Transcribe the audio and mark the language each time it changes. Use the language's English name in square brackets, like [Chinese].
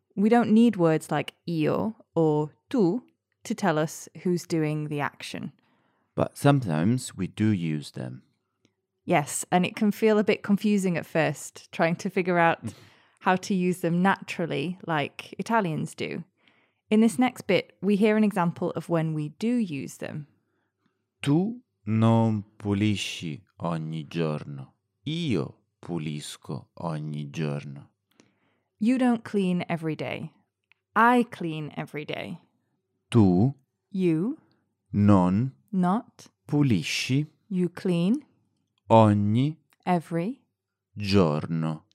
[English] We don't need words like io or tu to tell us who's doing the action. But sometimes we do use them. Yes, and it can feel a bit confusing at first, trying to figure out how to use them naturally, like Italians do. In this next bit, we hear an example of when we do use them. [Italian] Tu non pulisci ogni giorno. Io pulisco ogni giorno. [English] You don't clean every day. I clean every day. [Italian] Tu. [English] You. [Italian] Non. [English] Not. [Italian] Pulisci. [English] You clean. [Italian] Ogni. [English] Every. [Italian] Giorno.